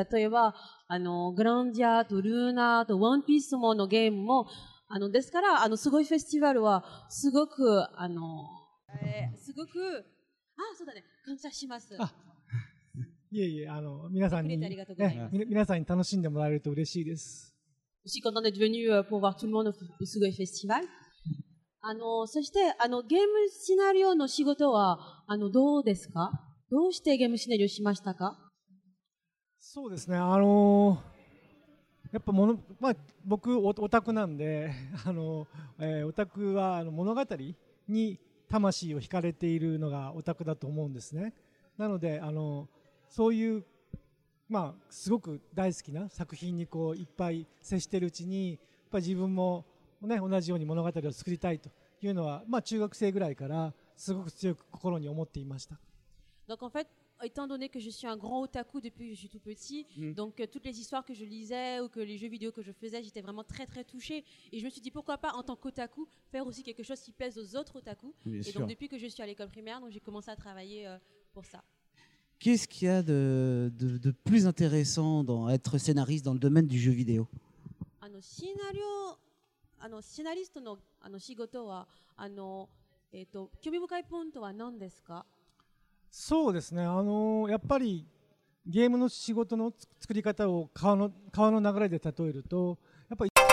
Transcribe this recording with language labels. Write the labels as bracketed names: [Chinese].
[Japanese] 例えばグランディアとルーナーとワンピースものゲームもですからすごいフェスティバルはすごくすごくそうだね感謝します。いえいえ皆さんに皆さんに楽しんでもらえると嬉しいです。 [French] Je suis content d'être venu pour voir tout le monde au すごいフェスティバル。 [Japanese] そしてゲームシナリオの仕事はどうですか？どうしてゲームシナリオしましたか？そうですね、やっぱ僕オタクなんで、オタクは物語に魂を惹かれているのがオタクだと思うんですね。なのでそういう、すごく大好きな作品にこういっぱい接しているうちにやっぱ自分もね、同じように物語を作りたいというのは、中学生ぐらいからすごく強く心に思っていました。 [French] Donc en fait, étant donné que je suis un grand otaku depuis que je suis tout petit, donc toutes les histoires que je lisais ou que les jeux vidéo que je faisais, j'étais vraiment très très touchée. Et je me suis dit pourquoi pas en tant qu'otaku faire aussi quelque chose qui pèse aux autres otaku. Et donc depuis que je suis à l'école primaire, donc j'ai commencé à travailler pour ça. Qu'est-ce qu'il y a de plus intéressant dans être scénariste dans le domaine du jeu vidéo ? [Japanese] シナリストの仕事は興味深いポイントは何ですか？そうですね、やっぱりゲームの仕事の作り方を川の流れで例えるとやっぱり